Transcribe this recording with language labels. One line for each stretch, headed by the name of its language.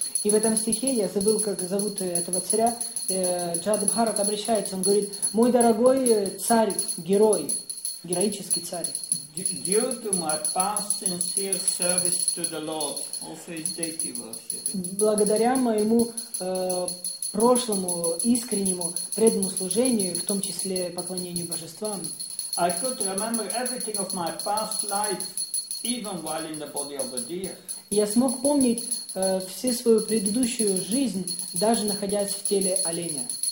Russian: И в этом стихе я забыл, как зовут этого царя. Джата Бхарата обращается, он говорит: "Мой дорогой царь, герой, героический царь."
English: Due to my past sincere service to the Lord, also his deity worship.
Russian: Благодаря моему прошлому искреннему преданному служению, в том числе поклонению божествам.
English: I could remember everything of my past life, even while in the body of a deer.
Russian: Я смог помнить всю свою предыдущую жизнь, даже находясь в теле оленя.